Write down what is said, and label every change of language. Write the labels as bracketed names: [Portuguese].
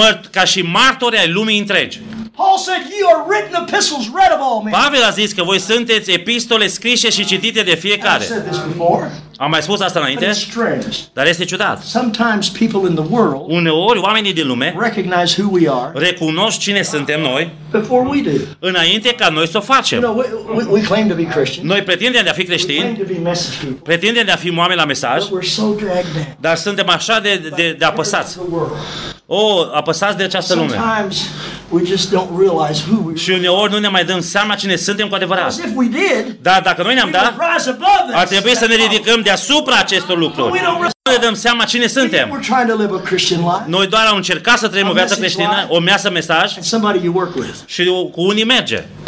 [Romanian] Ca și martori ai lumii întregi. [English] Paul said, "You are written epistles read of all men." [Romanian] Pavel a zis că voi sunteți epistole scrise și citite de fiecare. Am mai spus asta înainte? Dar este ciudat. [English] Sometimes people in the world. [Romanian] Uneori oamenii din lume. [English] Recognize who we are. [Romanian] Recunosc cine suntem noi. [English] Before we do. [Romanian] Înainte ca noi să o facem. [English] We claim to be Christians. [Romanian] Noi pretindem de a fi creștini. Pretindem de a fi oameni la mesaj. [English] We're so dragged down. [Romanian] Dar suntem așa de apăsați. Apăsați de această lume. [English] Sometimes we just don't realize who we are. [Romanian] Și uneori nu ne mai dăm seama cine suntem cu adevărat. [English] If we did. [Romanian] Dar dacă noi ne-am dat. Ar trebui să ne ridicăm deasupra acestor lucruri. Nu ne dăm seama cine suntem. Noi doar am încercat să trăim o viață creștină, o miasă mesaj, și cu unii merge.